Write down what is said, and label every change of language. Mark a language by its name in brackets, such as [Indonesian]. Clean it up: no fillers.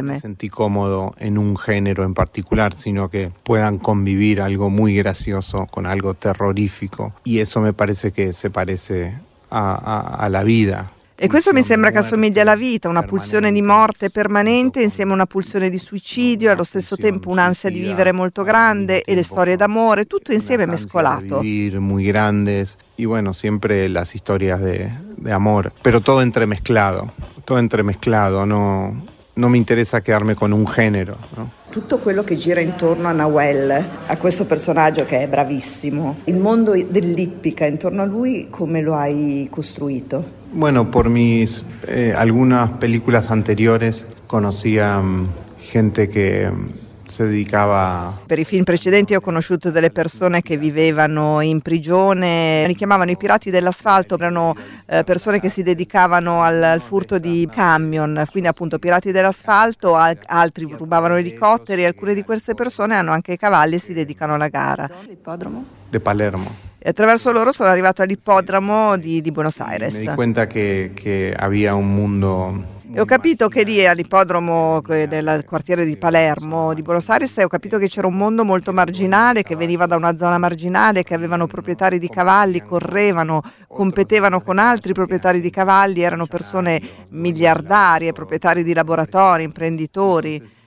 [Italian] Non mi senti comodo in un genere in particolare, [Spanish] sino che puedan convivere algo muy gracioso con algo terrorífico y eso me parece que se parece a la vida. [Italian] E questo mi sembra che assomiglia alla vita, una pulsione di morte permanente insieme a una pulsione di suicidio, allo stesso tempo un'ansia di vivere molto grande e le storie d'amore, tutto insieme mescolato. [Spanish] Muy grandes y bueno, siempre las historias de amor, pero todo entremezclado, no me interesa quedarme con un género, ¿no? [Italian] Tutto quello che gira intorno a Nahuel, a questo personaggio che è bravissimo, il mondo dell'ippica intorno a lui, come lo hai costruito? [Spanish] Bueno, por mis algunas películas anteriores conocía gente que se dedicaba. [Italian] Per i film precedenti ho conosciuto delle persone che vivevano in prigione, li chiamavano i pirati dell'asfalto, erano persone che si dedicavano al furto di camion, quindi appunto pirati dell'asfalto, altri rubavano elicotteri, alcune di queste persone hanno anche i cavalli e si dedicano alla gara. L'ippodromo? [Spanish] De Palermo. [Italian] E attraverso loro sono arrivato all'ippodromo di Buenos Aires. [Spanish] Mi di cuenta che había un mundo. [Italian] E ho capito che lì all'ippodromo del quartiere di Palermo, di Buenos Aires, ho capito che c'era un mondo molto marginale, che veniva da una zona marginale, che avevano proprietari di cavalli, correvano, competevano con altri proprietari di cavalli, erano persone miliardarie, proprietari di laboratori, imprenditori.